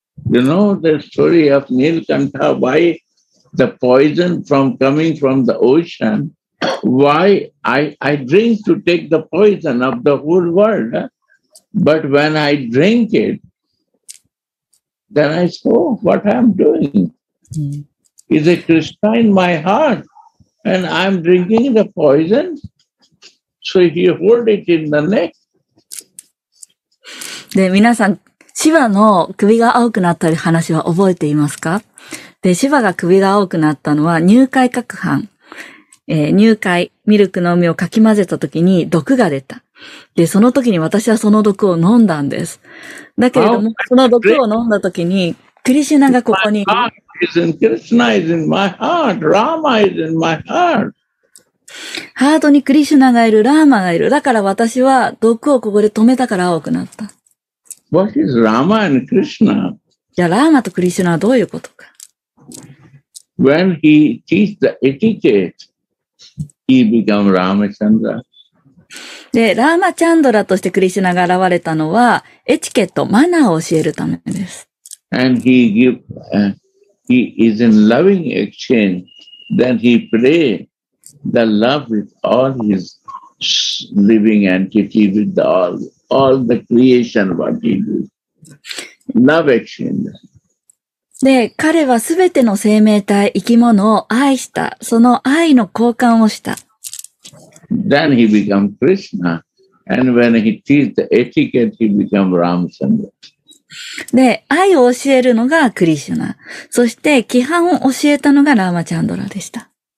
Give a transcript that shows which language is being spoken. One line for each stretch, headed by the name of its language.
English: You know the story of Nilkantha, why the poison from coming from the ocean, why I drink to take the poison of the whole world, but when I drink it, then I say, oh, what I'm doing? Is a Krishna in my heart and I'm drinking the poison? So he hold it in the neck.
Japanese: で、皆さん、シバの首が青くなったり話は覚えていますか？で、シバが首が青くなったのは乳塊攪拌、乳塊、ミルクの海をかき混ぜた時に毒が出た。で、その時に私はその毒を飲んだんです。だけれども、その毒を飲んだ時に、クリシュナがここに。
English: クリシュナ is in my heart. Rama is in my heart.
Japanese: ハートにクリシュナがいる、ラーマがいる。だから私は毒をここで止めたから青くなった。
English: What is Rama and Krishna?
Japanese: じゃあ、ラーマとクリシュナはどういうことか。
English: When he teach the etiquette, he become Ramachandra.
Japanese: で、ラーマチャンドラとしてクリシュナが現れたのは、エチケット、マナーを教えるためです。
English: And he give, he is in loving exchange. Then he pray the love with all his living entity with all. All the creation what he do. Love exchange.
Japanese: で、彼はすべての生命体、生き物を愛した。その愛の交換をした。
English: Then he become Krishna. And when he teach the etiquette, he become Ramachandra.
Japanese: で、愛を教えるのがクリシュナ。そして、規範を教えたのがラーマチャンドラでした。